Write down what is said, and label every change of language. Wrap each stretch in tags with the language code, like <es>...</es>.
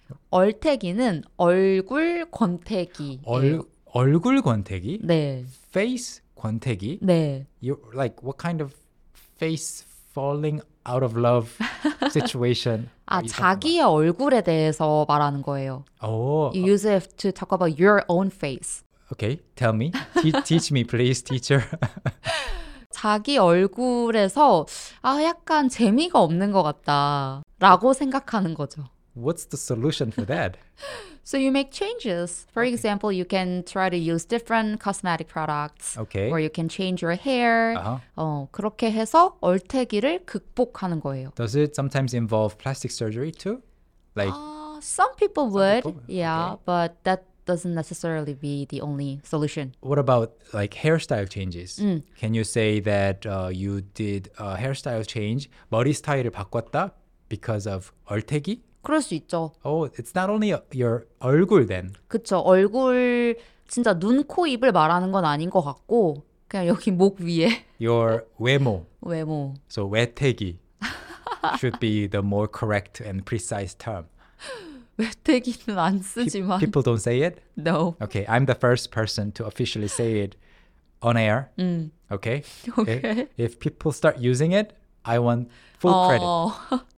<ko>얼태기는 얼굴 권태기. 얼굴 권태기? 네. Face 권태기? 네.</ko> <en>You're like, what kind of face falling out of love situation?</en> <ko>아, 자기의 얼굴에 대해서 말하는 거예요. Oh,</ko> <en>you use it to talk about your own face. Okay, tell me. Teach me, please, teacher.</en> <ko>자기 얼굴에서 아 약간 재미가 없는 것 같다라고 생각하는 거죠.</ko> <en>What's the solution for that? So you make changes. For okay. example, you can try to use different cosmetic products. Okay. Or you can change your hair. Uh-huh.</en> <ko>그렇게 해서 얼태기를 극복하는 거예요.</ko> <en>Does it sometimes involve plastic surgery too? Like some people would. Some people? Yeah, okay. but that doesn't necessarily be the only solution. What about like hairstyle changes? Can you say that you did a hairstyle change,</en> <ko>머리 스타일을 바꿨다</ko> <en>because of 얼태기?</en> <ko>그럴 수 있죠.</ko> <en>Oh, it's not only your 얼굴 then.</en> <ko>그쵸, 얼굴 진짜 눈, 코, 입을 말하는 건 아닌 것 같고 그냥 여기 목 위에.</ko> <en>Your 외모.</en> <ko>외모.</ko> <en>So 외태기 should be the more correct and precise term.</en> <ko>외태기는 안 쓰지만</ko> <en>People don't say it? No. Okay, I'm the first person to officially say it on air. Okay? Okay. If people start using it, I want full credit.</en>